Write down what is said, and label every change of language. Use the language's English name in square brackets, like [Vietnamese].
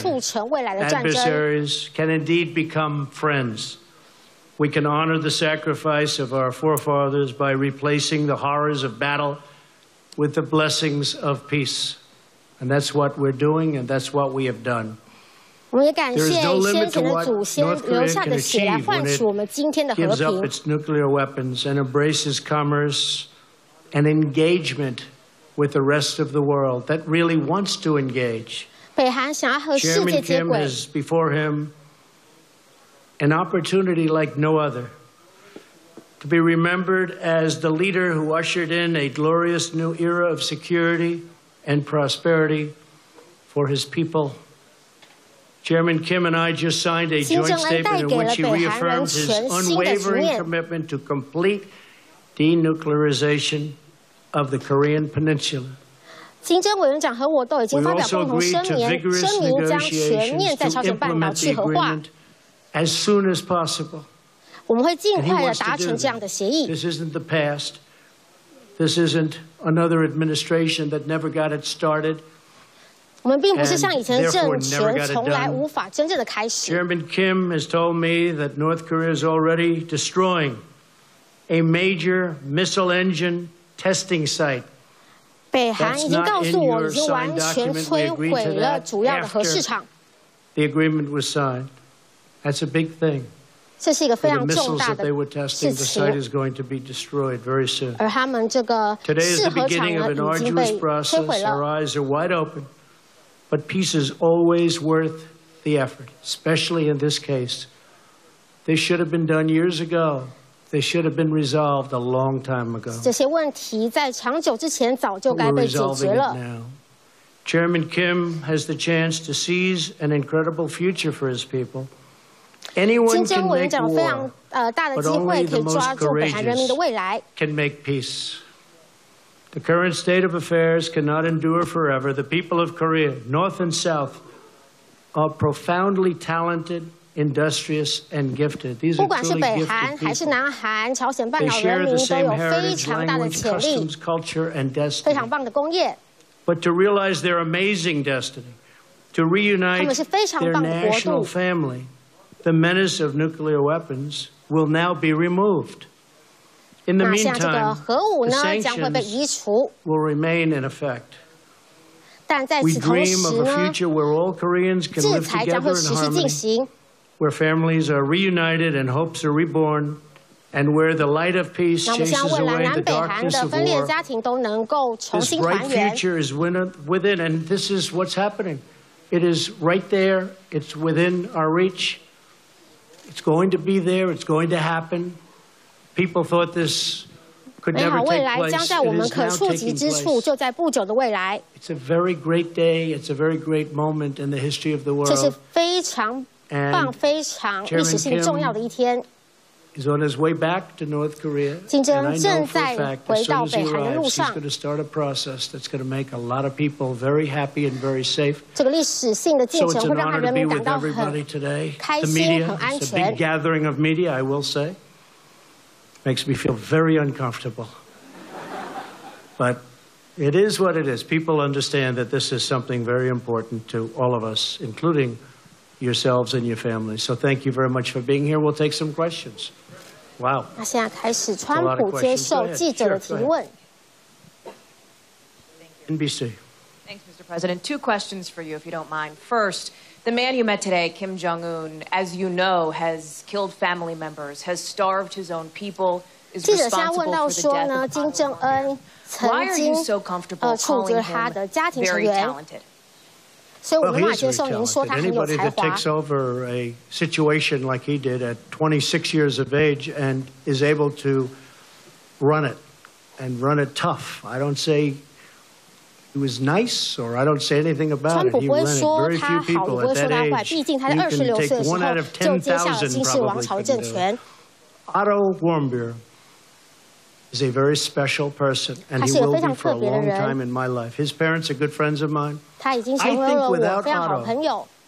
[English] adversaries can indeed become friends. We can honor the sacrifice of our forefathers by replacing the horrors of battle with the blessings of peace. And that's what we're doing, and that's what we have done. [Chinese] 我们也感谢先前的祖先流下的血来换取我们今天的和平。 [English] Gives up its nuclear weapons and embraces commerce and engagement with the rest of the world that really wants to engage. [Chinese] 北韩想要和世界接轨。 [English] Chairman Kim has before him an opportunity like no other. To be remembered as the leader who ushered in a glorious new era of security and prosperity for his people. Chairman Kim and I just signed a joint statement in which he reaffirmed his unwavering commitment to complete denuclearization of the Korean Peninsula. [Chinese] 金正委员长和我都已经发表共同声明，声明将全面在朝鲜半岛去核化。 [English] As soon as possible. [Chinese] 我们会尽快地达成这样的协议。 [English] This isn't the past. This isn't another administration that never got it started. [Chinese] 我们并不是像以前的政权从来无法真正的开始。 [English] Chairman Kim has told me that North Korea is already destroying a major missile engine testing site. [Chinese] 北韩已经告诉我已经完全摧毁了主要的核市场。 [English] The agreement was signed. That's a big thing. [Chinese] 这是一个非常重大的事情。 [English] The missiles that they were testing, the site is going to be destroyed very soon. [Chinese] 而他们这个试核场呢，已经被摧毁了。 [English] Today is the beginning of an arduous process. Our eyes are wide open, but peace is always worth the effort, especially in this case. This should have been done years ago. This should have been resolved a long time ago. [Chinese] 这些问题在长久之前早就该被解决了。 [English] Chairman Kim has the chance to seize an incredible future for his people. [Chinese] 金正委员长非常大的机会可以抓住北韩人民的未来。 [English] Can make peace. The current state of affairs cannot endure forever. The people of Korea, North and South, are profoundly talented, industrious, and gifted. These are truly gifted people. [Chinese] 不管是北韩还是南韩，朝鲜半岛人民都有非常大的潜力， [English] customs, culture, and destiny. [Chinese] 非常棒的工业。 [English] But to realize their amazing destiny, to reunite their national family. The menace of nuclear weapons will now be removed. In the meantime, the sanctions will remain in effect. We dream of a future where all Koreans can live together in harmony, where families are reunited and hopes are reborn, and where the light of peace chases away the darkness of war. This bright future is within, and this is what's happening. It is right there. It's within our reach. It's going to be there. It's going to happen. People thought this could never take place. [Chinese] 美好未来将在我们可触及之处，就在不久的未来。 [English] It's a very great day. It's a very great moment in the history of the world. [Chinese] 这是非常棒、非常历史性重要的一天。 [English] He's on his way back to North Korea. [Chinese] 金正恩正在回到北韩的路上。 [English] He's going to start a process that's going to make a lot of people very happy and very safe. [Chinese] 这个历史性的进程会让人民感到很开心、很安全。 [English] The media, it's a big gathering of media, I will say. Makes me feel very uncomfortable. But it is what it is. People understand that this is something very important to all of us, including. Yourselves and your families. So thank you very much for being here. We'll take some questions. Wow. [Chinese] 那现在开始，川普接受记者的提问。 [English] NBC. Thanks, Mr. President. Two questions for you, if you don't mind. First, the man you met today, Kim Jong-un, as you know, has killed family members, has starved his own people, is responsible for the death of the population. Why are you so comfortable calling him very talented? [Chinese] 所以我无法接受您说他很有才华。 [English] Anybody that takes over a situation like he did at 26 years of age and is able to run it and run it tough, I don't say he was nice or I don't say anything about it. [Chinese] 川普不会说他好，不会说他坏。毕竟他在26岁的时候就接下了金氏王朝政权。 [English] Otto Warmbier is a very special person, and he will be for a long time in my life. His parents are good friends of mine. [Chinese] 他已经成为了我非常好朋友。